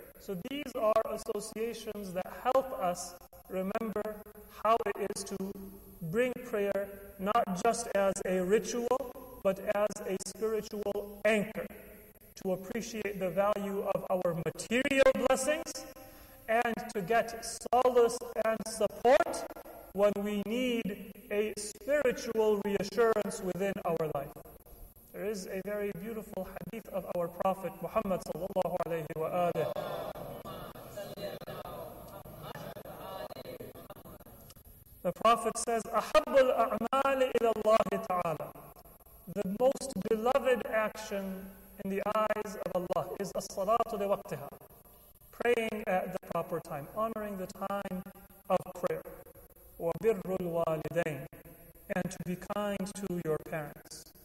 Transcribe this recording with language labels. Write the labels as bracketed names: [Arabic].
[English] So these are associations that help us remember how it is to bring prayer not just as a ritual, but as a spiritual anchor to appreciate the value of our material blessings and to get solace and support when we need a spiritual reassurance within our life. There is a very beautiful hadith of our Prophet Muhammad sallallahu alayhi wa alihi. The Prophet says, [Arabic] أَحَبُّ الْأَعْمَالِ إِلَى اللَّهِ تَعَالَى. [English] The most beloved action in the eyes of Allah is [Arabic] الصَّلَاةُ لِوَقْتِهَا. [English] Praying at the proper time, honoring the time of prayer. [Arabic] وَبِرُّ الْوَالِدَيْنِ. [English] And to be kind to your parents.